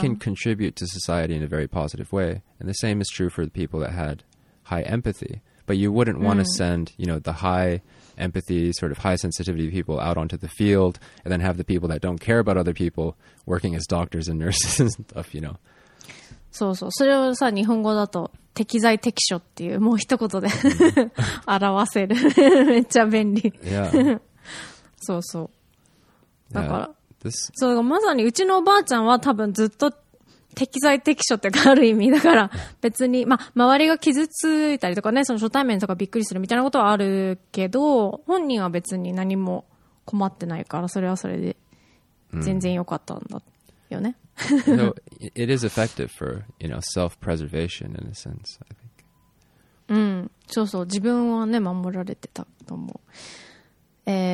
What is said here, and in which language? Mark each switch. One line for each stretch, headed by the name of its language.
English: can contribute to society in a very positive way. And the same is true for the people that had high empathy. But you wouldn't、mm. want to send, you know, the high empathy, sort of high sensitivity people out onto the field and then have the people that don't care about other people working as doctors and nurses and stuff, you know.
Japanese: そうそう。それをさ、日本語だと適材適所っていう、もう一言で表せる。めっちゃ便利。
English: Yeah.
Japanese: そうそう。だから。
English: Yeah. This...
Japanese: そう、まさにうちのおばあちゃんは多分ずっと適材適所ってかある意味だから、別にまあ周りが傷ついたりとかね、その初対面とかびっくりするみたいなことはあるけど、本人は別に何も困ってないから、それはそれで全然良かったんだよね、 mm.
English: you know, it is effective for, you know, self-preservation in a sense, I think.
Japanese: うん、そうそう、自分はね守られてたと思う。